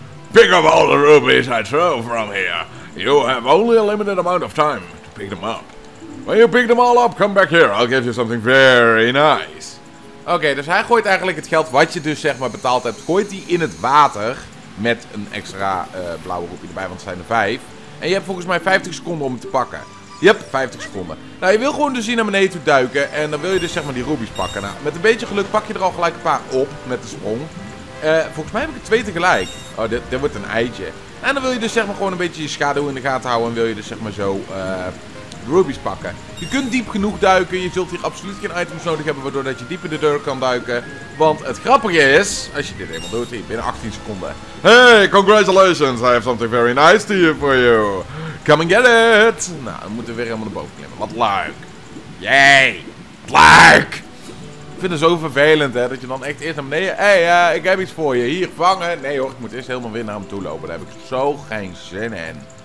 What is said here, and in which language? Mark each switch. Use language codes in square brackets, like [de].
[en] Pick up all the rubies I throw from here. You have only a limited amount of time to pick them up. When you pick them all up, come back here. I'll give you something very nice. [nl] Okay, dus hij gooit eigenlijk het geld wat je dus zeg maar betaald hebt, gooit hij in het water met een extra blauwe roepie erbij, want het zijn er 5. En je hebt volgens mij 50 seconden om het te pakken. Yep, 50 seconden. Nou, je wil gewoon dus hier naar beneden toe duiken en dan wil je dus zeg maar die rubies pakken. Nou, met een beetje geluk pak je er al gelijk een paar op met de sprong. Volgens mij heb ik er 2 tegelijk. Oh, dit wordt een eitje. En dan wil je dus zeg maar gewoon een beetje je schaduw in de gaten houden. En wil je dus zeg maar zo rubies pakken. Je kunt diep genoeg duiken. Je zult hier absoluut geen items nodig hebben. Waardoor dat je diep in de deur kan duiken. Want het grappige is, als je dit eenmaal doet, hier binnen 18 seconden. [en] Hey, congratulations. I have something very nice to you for you. Come and get it. [nl] Nou, dan moeten we weer helemaal naar boven klimmen. Wat leuk. Yay. Wat leuk. Ik vind het zo vervelend, hè, dat je dan echt eerst naar beneden... Hé, ik heb iets voor je. Hier, vangen. Nee hoor, ik moet eerst helemaal weer naar hem toe lopen. Daar heb ik zo geen zin in.